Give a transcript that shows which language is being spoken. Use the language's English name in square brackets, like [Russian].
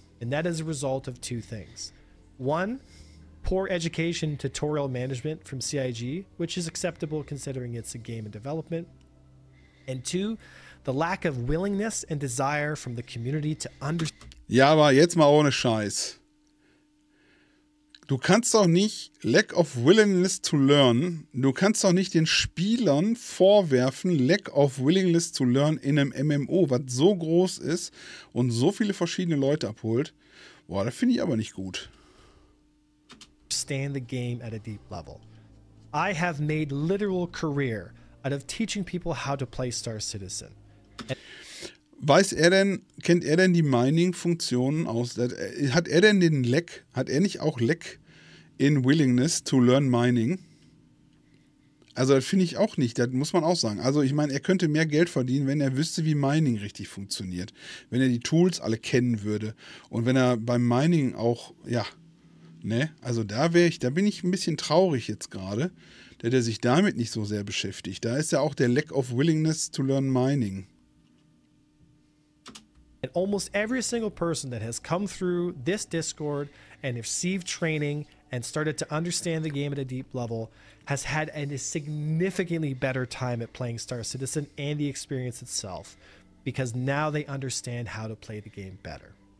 [English] And that is a result of two things. One, poor education tutorial management from CIG, which is acceptable considering it's a game in development. And two, the lack of willingness and desire from the community to understand. [German] Ja, aber jetzt mal ohne Scheiß. Du kannst doch nicht [English] lack of willingness to learn. [German] Du kannst doch nicht den Spielern vorwerfen, [English] lack of willingness to learn [German] in einem MMO, was so groß ist und so viele verschiedene Leute abholt. Boah, das finde ich aber nicht gut. [English] Understand the game at a deep level. I have made literal career out of teaching people how to play Star Citizen. [German] Weiß er denn, kennt er denn die Mining-Funktionen aus? Hat er denn den Lack, hat er nicht auch [English] Lack in Willingness to learn [German] Mining? Also das finde ich auch nicht, das muss man auch sagen. Also ich meine, er könnte mehr Geld verdienen, wenn er wüsste, wie Mining richtig funktioniert. Wenn er die Tools alle kennen würde. Und wenn er beim Mining auch, ja, ne? Also da wäre ich, da bin ich ein bisschen traurig jetzt gerade, dass er sich damit nicht so sehr beschäftigt. Da ist ja auch der [English] Lack of Willingness to learn [German] Mining. [English] And almost every single person that has come through this Discord and received training and started to understand the game at a deep level has had a significantly better time at playing Star Citizen and the experience itself because now they understand how to play the game better.